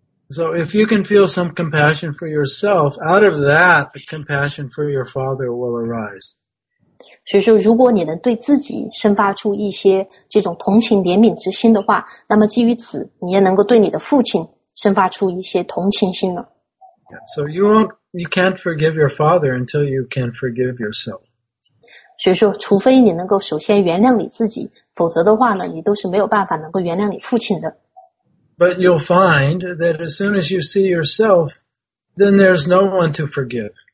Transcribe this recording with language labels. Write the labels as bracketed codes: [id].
[en] So if you can feel some compassion for yourself, out of that, the compassion for your father will arise. [zh] 所以说，如果你能对自己生发出一些这种同情怜悯之心的话，那么基于此，你也能够对你的父亲生发出一些同情心了。 [en] So you can't forgive your father until you can forgive yourself. [zh] 所以说，除非你能够首先原谅你自己，否则的话呢，你都是没有办法能够原谅你父亲的。 [en] But you'll find that as soon as you see yourself, then there's no one to forgive.